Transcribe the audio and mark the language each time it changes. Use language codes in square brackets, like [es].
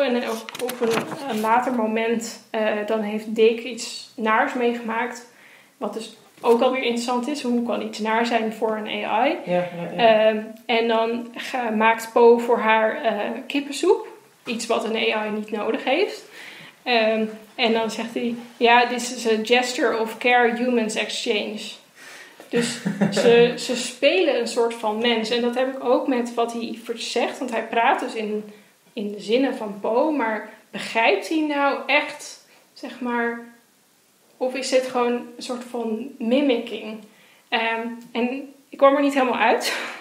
[nl] En op een later moment dan heeft Dick iets naars meegemaakt. Wat dus ook alweer interessant is. Hoe kan iets naar zijn voor een AI? Ja. En dan maakt Po voor haar kippensoep. Iets wat een AI niet nodig heeft. En dan zegt hij... Ja, [en] this is a gesture of care humans exchange. [nl] Dus ze spelen een soort van mens. En dat heb ik ook met wat hij zegt. Want hij praat dus in de zinnen van Po. Maar begrijpt hij nou echt... Zeg maar... Of is dit gewoon een soort van mimicking? En ik kwam er niet helemaal uit.